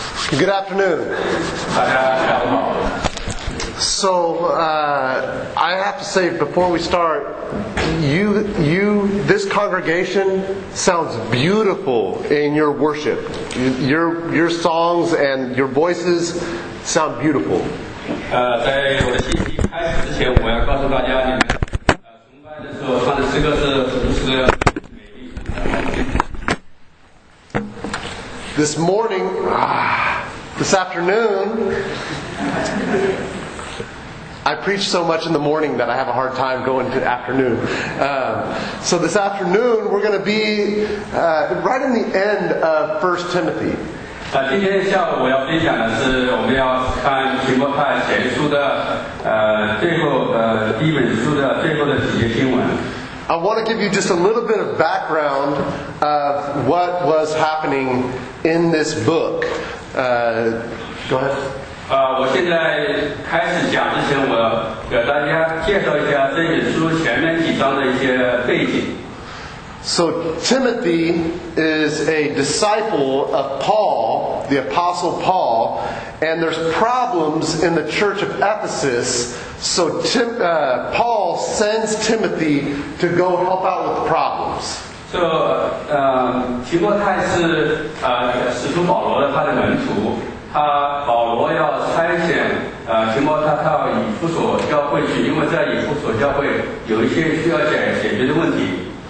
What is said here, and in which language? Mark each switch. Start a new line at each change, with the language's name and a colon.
English: Good afternoon. So, I have to say, before we start, you, this congregation sounds beautiful in your worship. Your songs and your voices sound beautiful.
Chinese: 在我的信息开始之前，我要告诉大家，你们崇拜的时候唱的诗歌是不是？
English: This morning, this afternoon, I preach so much in the morning that I have a hard time going to afternoon. So this afternoon, we're going to be right in the end of 1 Timothy.
Chinese: 今天下午我要分享的是我们要看提摩太前书的最后第一本书的最后的几节经文。
English: I want to give you just a little bit of background of what was happening in this book. Go ahead.
Chinese: 我现在开始讲之前，我给大家介绍一下这本书前面几章的一些背景。
English: So Timothy is a disciple of Paul, the Apostle Paul, and there's problems in the church of Ephesus, so Paul sends Timothy to go help out with the problems.
Chinese: So, 提摩太是使徒保罗的他的门徒，他保罗要差遣提摩太到以弗所教会去，因为在以弗所教会有一些需要解决的问题。